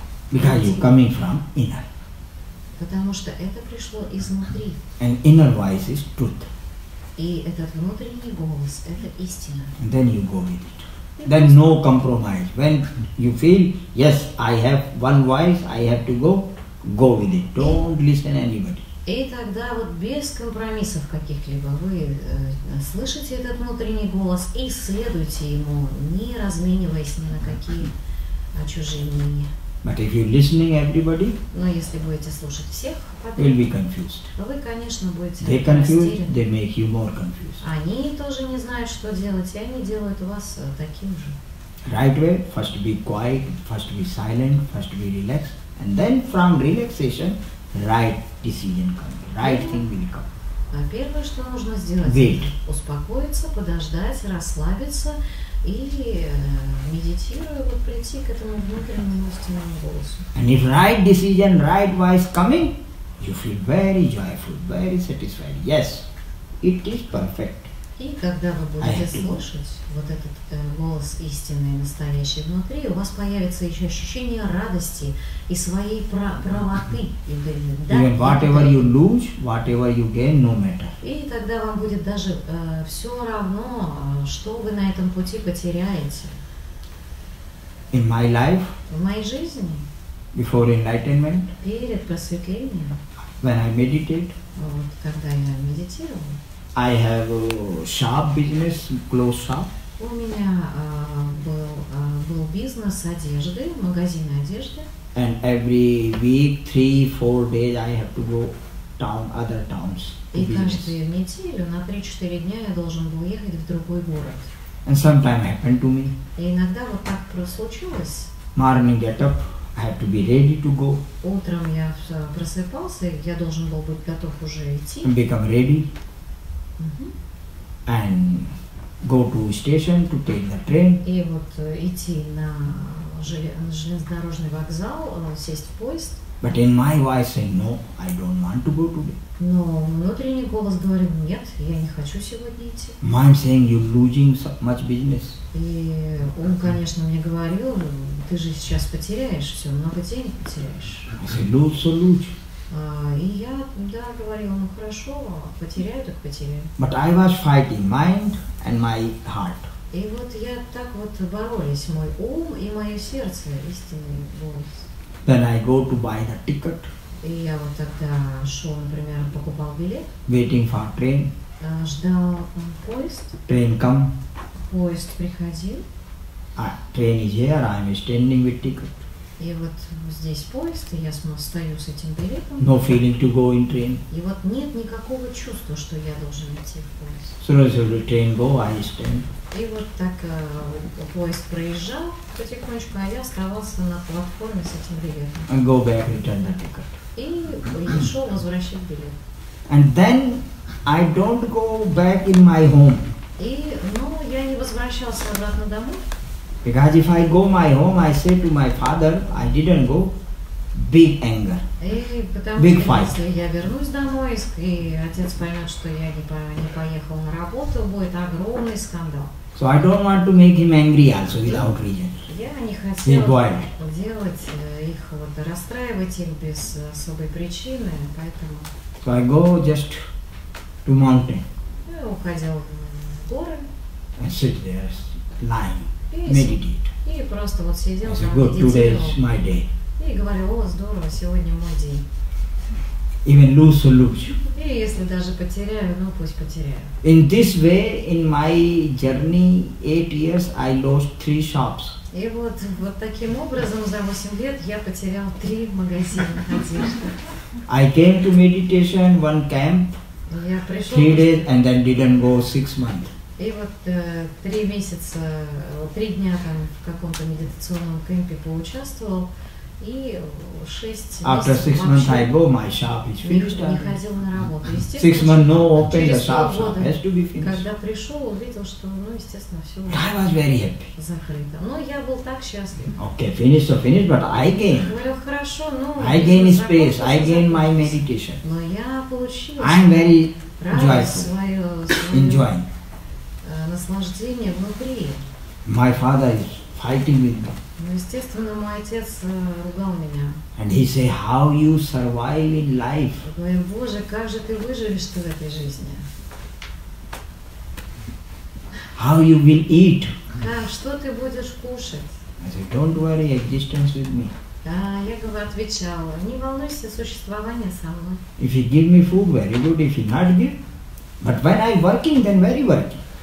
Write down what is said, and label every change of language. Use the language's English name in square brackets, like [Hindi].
[English] Because you're coming from inner. [Russian] Потому что это пришло изнутри. [English] And inner voice is truth. [Russian] И этот внутренний голос, это истина. [English] And then you go with it. Then no compromise. When you feel, yes, I have one voice, I have to go, go with it. Don't listen anybody. [Russian] И тогда вот без компромиссов каких-либо вы слышите этот внутренний голос и следуйте ему, не размениваясь ни на какие чужие мнения. [English] But if you're listening everybody, [Russian] но если будете слушать всех, [English] you'll be confused. [Russian] Вы, конечно, будете [English] they confused, [Russian] растерян. [English] They make you more confused. [Russian] Они тоже не знают, что делать, и они делают вас таким же. [English] Right way, first be quiet, first be silent, first be relaxed, and then from relaxation, right decision comes, right thing will come. [Russian] А первое, что нужно сделать, [English] wait. [Russian] Успокоиться, подождать, расслабиться. Или медитируя, вот прийти к этому внутреннему истинному голосу. [English] And if right decision, right voice coming, you feel very joyful, very satisfied. Yes, it is perfect. [Russian] И когда вы будете слушать вот этот голос истинный, настоящий внутри, у вас появится еще ощущение радости и своей правоты. [English] Even whatever you lose, whatever you gain, no matter. [Russian] И тогда вам будет даже все равно, что вы на этом пути потеряете. [English] In my life, [Russian] в моей жизни, [English] before enlightenment, [Russian] перед просветлением, [English] when I meditate, [Russian] вот, когда я медитировал, [English] I have a shop business, clothes shop. [Russian] У меня был бизнес одежды, магазин одежды. [English] And every week, 3-4 days, I have to go town, other towns. [Russian] И каждую неделю на 3-4 дня я должен был ехать в другой город. [English] And sometimes happened to me. [Russian] И иногда вот так случилось. [English] Morning get up, I have to be ready to go. [Russian] Утром я просыпался, я должен был быть готов уже идти. [English] And become ready. Mm-hmm. And go to station to take the train. [Russian] И вот идти на железнодорожный вокзал, сесть в поезд. [English] But in my voice say no, I don't want to go today. [Russian] Но внутренний голос говорит, нет, я не хочу сегодня идти. [English] Mind saying you're losing so much business. [Russian] И он, конечно, мне говорил, ты же сейчас потеряешь все, много денег потеряешь. [English] I said, lose, so lose. [Russian] И я, да, говорил, ну хорошо, потеряю, так потеряю. [English] But I was fighting mind and my heart. [Russian] И вот я так вот боролись, мой ум и мое сердце, истинный голос. [English] Then I go to buy the ticket. [Russian] И я вот тогда шел, например, покупал билет. [English] Waiting for train. [Russian] Ждал поезд. [English] Train come. [Russian] Поезд приходил. [English] Train is here, I'm standing with ticket. [Russian] И вот здесь поезд, и я стою с этим билетом. [English] No feeling to go in train. [Russian] И вот нет никакого чувства, что я должен идти в поезд. [English] So as the train go, I stand. [Russian] И вот так поезд проезжал потихонечку, а я оставался на платформе с этим билетом. [English] And go back, return the ticket. [Russian] И шел возвращать билет. [English] And then I don't go back in my home. [Russian] И, ну, я не возвращался обратно домой. [English] Because if I go my home, I say to my father, I didn't go. Big anger. Big fight. [Russian] Если я вернусь домой, и отец поймет, что я не поехал на работу, будет огромный скандал. [English] So I don't want to make him angry also without reason. [Russian] Я не хотел делать их, вот, расстраивать их без особой причины, поэтому... [English] So I go just to mountain. [Russian] Я уходил в горы. [English] And sit there, lying, meditate. [Russian] И просто вот сидел, [English] I said, good, today is my day. [Russian] И говорил, о, здорово, сегодня мой день. [English] Even lose or lose. [Russian] И если даже потеряю, ну пусть потеряю. [English] In this way, in my journey, 8 years, I lost 3 shops. [Russian] И вот, вот таким образом за 8 лет я потерял 3 магазина одежды. [English] I came to meditation one camp. [Russian] Я пришел. [English] 3 days and then didn't go 6 months. [Russian] И вот 3 месяца, 3 дня там в каком-то медитационном кемпе поучаствовал. И 6 месяцев. [English] After 6 months I go, my shop is finished. [Russian] Не ходил на работу. [English] 6 months no open, the shop has to be finished. [Russian] Когда пришел, увидел, что, ну, естественно, все. [English] I was very happy. [Russian] Закрыто. Но я был так счастлив. [English] Okay, finish or finish, but I gain. [Russian] Ну, хорошо, но. [English] I gain space. I gain my meditation. [Russian] Но я получил. [English] I'm very joyful. Enjoying. [Russian] Наслаждение внутри. [English] My father is fighting with me. [Russian] Ну, естественно, мой отец ругал меня. [English] And he say, how you survive in life? [Russian] Говорю, Боже, как же ты выживешь-то в этой жизни? [English] How you will eat? [Russian] Да, что ты будешь кушать? [English] I say, don't worry, existence with me. [Russian] Да, я бы отвечала, не волнуйся, существование со мной. [English] If you give me food, very good. If you not give, but when I working, then very working.